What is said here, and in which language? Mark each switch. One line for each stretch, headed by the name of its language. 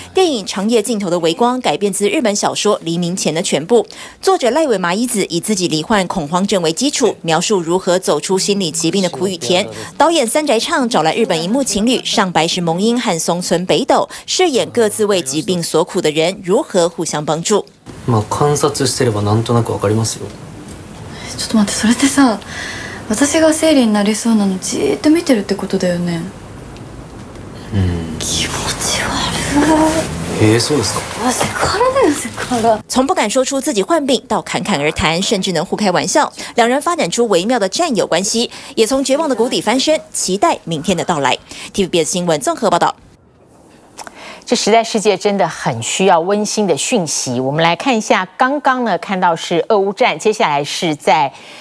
Chinese: 电影《长夜尽头的微光》改编自日本小说《黎明前的全部》，作者濑尾麻衣子以自己罹患恐慌症为基础，描述如何走出心理疾病的苦与甜。导演三宅唱找来日本荧幕情侣上白石萌音和松村北斗，饰演各自为疾病所苦的人如何互相帮助。
Japanese: まあ観察してればなんとなくわかりますよ。ちょっと待って、それってさ。私が生理になりそうなのじーっと見てるってことだよね。うん。気持ち悪い。そうですか。あ、セクハラだよ、セクハラ。
Chinese: 从不敢说出自己患病，到侃侃而谈，甚至能互开玩笑，两人发展出微妙的战友关系，也从绝望的谷底翻身，期待明天的到来。 TVBS 新闻综合报道。这时代世界真的很需要温馨的讯息。我们来看一下，刚刚呢看到是俄乌战，接下来是在。